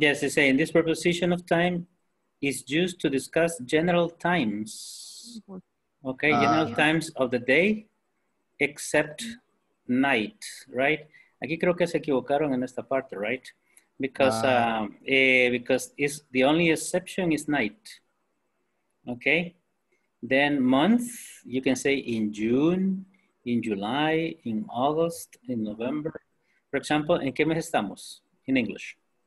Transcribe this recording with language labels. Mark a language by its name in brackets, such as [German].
[English] Yes, they say in this preposition of time is used to discuss general times. Okay, general times of the day, except night, right? [Spanish] Aquí creo que se equivocaron en esta parte, right? [English] Because because it's the only exception is night. Okay, then month, you can say in June, in July, in August, in November. For example, [Spanish] ¿en qué mes estamos [English] in English?